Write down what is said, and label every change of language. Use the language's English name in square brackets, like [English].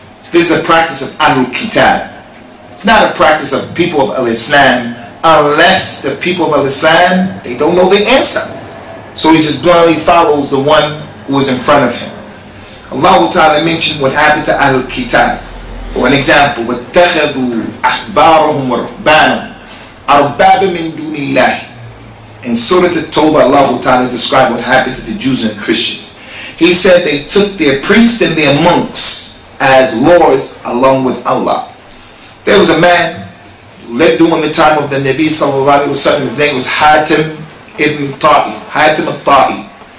[English] This is a practice of Ahlul Kitab. It's not a practice of people of Al-Islam, unless the people of Al-Islam, they don't know the answer. So he just blindly follows the one who is in front of him. Allah Ta'ala mentioned what happened to Ahlul Kitab. For an example, [Arabic] وَاتَّخَذُوا أَحْبَارَهُمْ وَرُحْبَانَهُمْ أَرْبَابًا مِنْ دُونِ اللَّهِ. [English] In Surah At-Tawbah, Allah Ta'ala described what happened to the Jews and the Christians. He said they took their priests and their monks as lords along with Allah. There was a man who lived during the time of the Nabi Sallallahu Alaihi Wasallam. His name was Hatim ibn Ta'i. Hatim al-Ta'i.